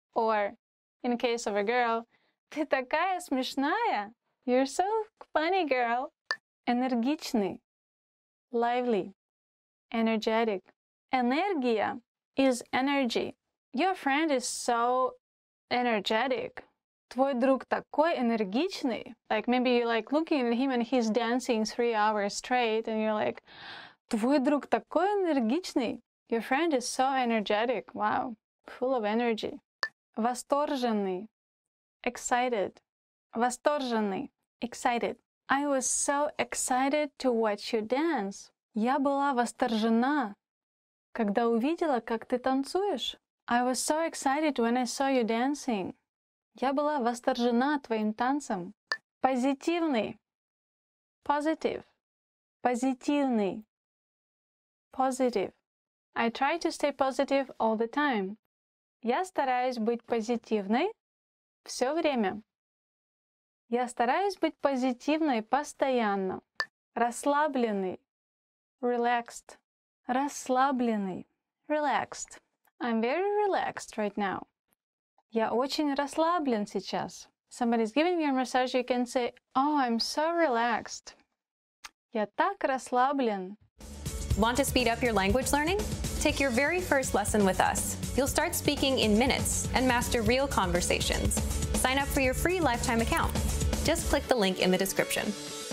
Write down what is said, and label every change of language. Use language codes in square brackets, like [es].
[en] Or, in case of a girl, [ru] ты такая смешная. [en] You're so funny, girl. [ru] Энергичный. [en] Lively. Energetic. [ru] Энергия [en] is energy. Your friend is so energetic. [ru] Твой друг такой энергичный. [en] Like, maybe you're like looking at him and he's dancing 3 hours straight and you're like, [ru] твой друг такой энергичный. [en] Your friend is so energetic. Wow. Full of energy. [ru] Восторженный. [en] Excited. [ru] Восторженный. [en] Excited. I was so excited to watch you dance. [ru] Я была восторжена, когда увидела, как ты танцуешь. [en] I was so excited when I saw you dancing. [ru] Я была восторжена твоим танцем. Позитивный. Positive. Позитивный. [en] Positive. I try to stay positive all the time. [ru] Я стараюсь быть позитивной все время. Я стараюсь быть позитивной постоянно. Расслабленный. [en] Relaxed. [ru] Расслабленный. [en] Relaxed. I'm very relaxed right now. [ru] Я очень расслаблен сейчас. [en] Somebody's giving you a massage, you can say, oh, I'm so relaxed. [ru] Я так расслаблен. [en] Want to speed up your language learning? Take your very first lesson with us. You'll start speaking in minutes and master real conversations. Sign up for your free lifetime account. Just click the link in the description.